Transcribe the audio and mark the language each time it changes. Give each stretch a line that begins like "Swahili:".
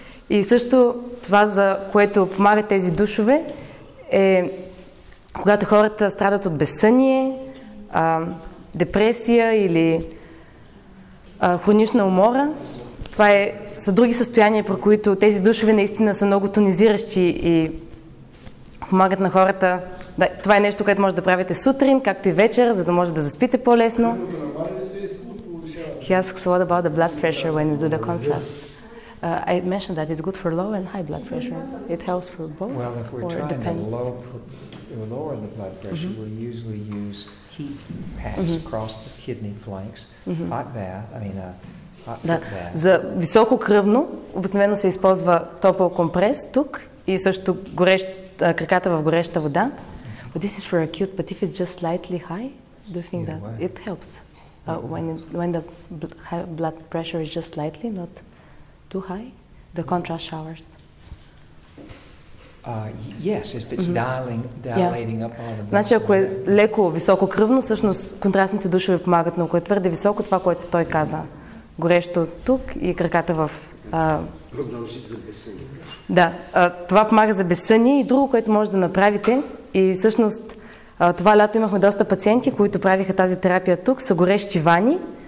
Bulgarian: И също това, за което помагат тези душове, е когато хората страдат от безсъние, депресия или хронична умора. Това са други състояния, при които тези душове наистина са много тонизиращи и помагат на хората. Да, това е нещо, което може да правите сутрин, както и вечер, за да може да заспите по-лесно.
English: He asks what about the blood pressure when you do the contrast? I mentioned that it's good for low and high blood pressure. It helps for both. Well, if we're trying to lower the blood pressure, mm-hmm. we usually use heat packs mm-hmm. across the kidney flanks. Mm-hmm. Hot bath.
Bulgarian: За високо кръвно обикновено се използва топъл компрес тук и също горещ краката в гореща вода.
English: But this is for acute, but if it's just slightly high, do you think that it helps? When the high blood pressure is just slightly, not too high, the contrast showers. Yes, if it's dilating up all of that.
Bulgarian: Значи, ако е леко високо кръвно, всъщност контрастните душове помагат, но ако е твърде високо, това, което той каза. Горещо тук и краката в... Продължи за безсъние. Да, това помага за безсъние и друго, което може да направите. И всъщност това лято имахме доста пациенти, които правиха тази терапия тук, са горещи вани.